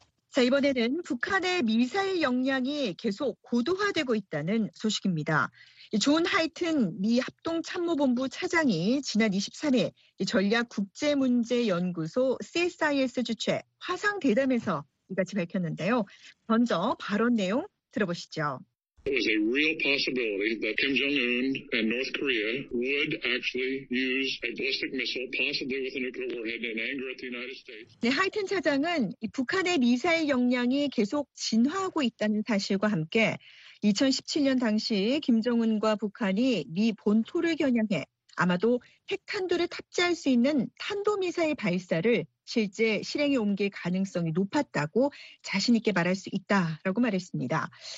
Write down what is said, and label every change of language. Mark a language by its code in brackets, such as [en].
[ko] 자, 이번에는 북한의 미사일 역량이 계속 고도화되고 있다는 소식입니다. 존 하이튼 미 합동참모본부 차장이 지난 23일 전략국제문제연구소 CSIS 주최 화상대담에서 이같이 밝혔는데요. 먼저 발언 내용 들어보시죠. [en] It was a real possibility that Kim Jong-un and North Korea would actually use a ballistic missile, possibly with a nuclear warhead, in anger at the United States. [ko] 네, 하이튼 차장은 이 북한의 미사일 역량이 계속 진화하고 있다는 사실과 함께 2017년 당시 김정은과 북한이 미 본토를 겨냥해 아마도 핵탄두를 탑재할 수 있는 탄도미사일 발사를 실제 실행에 옮길 가능성이 높았다고 자신 있게 말할 수 있다라고 말했습니다.